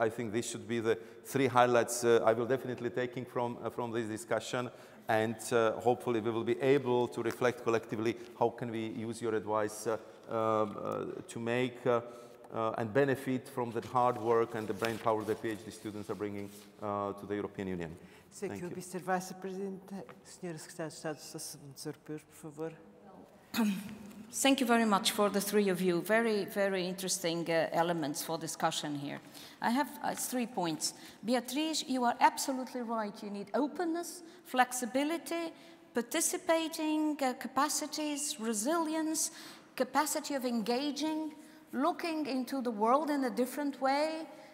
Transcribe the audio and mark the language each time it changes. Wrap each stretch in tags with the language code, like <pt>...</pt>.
<en>I think this should be the three highlights I will definitely taking from this discussion, and hopefully we will be able to reflect collectively how can we use your advice to make and benefit from that hard work and the brain power that PhD students are bringing to the European Union. Thank you. Mr. Vice President, Sr.</en> <pt>Secretário de Estado dos Assuntos Europeus, por favor.</pt> <en>Thank you very much for the three of you. Very, very interesting elements for discussion here. I have three points. Beatriz, you are absolutely right. You need openness, flexibility, participating capacities, resilience, capacity of engaging, looking into the world in a different way.</en>